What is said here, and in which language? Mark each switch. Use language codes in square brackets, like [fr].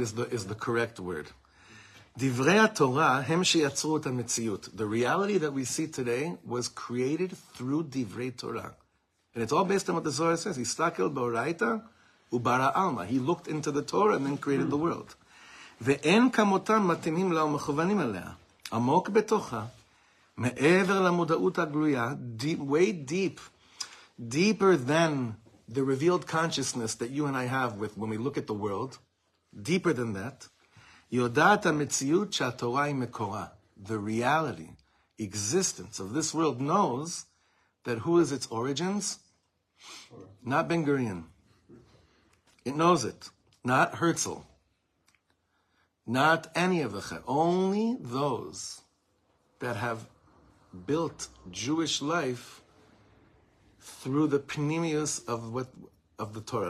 [en] is the correct word. [he] Divrei HaTorah hem sheyatzru et hamitziyut. [en] The reality that we see today was created through Divrei Torah. And it's all based on what the Zohar says. [arc] Yistakel b'oraita ubara alma. [en] He looked into the Torah and then created the world. [he] ואין כמותם מתאימים לה ומכוונים אליה. עמוק בתוכה, מעבר למודעות הגלויה, [en] way deep, deeper than the revealed consciousness that you and I have with when we look at the world, deeper than that, [he] יודעת המציאות שהתורה היא מקורה. [en] The reality, existence of this world knows that who is its origins? Not Ben-Gurion. It knows it. Not Herzl. Not any of the chet, only those that have built Jewish life through the pnimius of the Torah.